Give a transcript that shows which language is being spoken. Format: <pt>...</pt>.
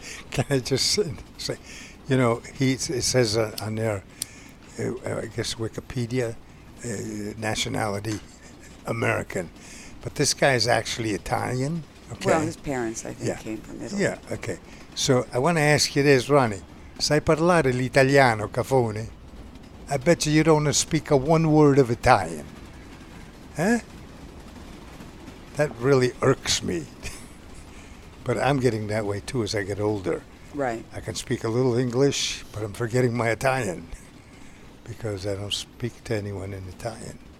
<en>Can I just say, you know, he, it says on there, I guess Wikipedia, nationality, American. But this guy is actually Italian. Okay. Well, his parents, I think, came from Italy. Yeah, okay. So I want to ask you this, Ronnie.</en> <it>Sai parlare l'italiano, Cafone?</it> <en>I bet you don't speak a one word of Italian. Huh? That really irks me. But I'm getting that way, too, as I get older. Right. I can speak a little English, but I'm forgetting my Italian, because I don't speak to anyone in Italian.</en>